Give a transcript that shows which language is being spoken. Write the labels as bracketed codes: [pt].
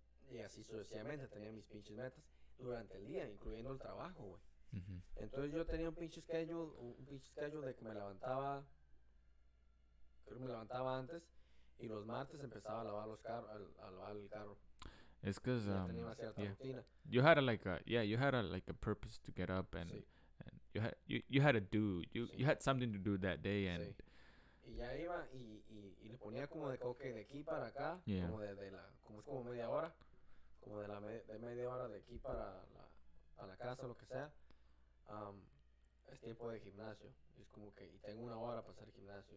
[es] Y así sucesivamente tenía mis pinches metas durante el día, incluyendo el trabajo, güey. Uh-huh. Entonces yo tenía un pinche schedule de que me levantaba antes y los martes empezaba a lavar el carro. Es que ya tenía una cierta rutina. [en] You had a purpose to get up and, you had something to do that day and sí. [es] Y ya iba y le ponía como de coque de aquí para acá, como es como media hora, como de media hora de aquí para la casa, lo que sea. Es tiempo de gimnasio, es como que, y tengo una hora para hacer gimnasio.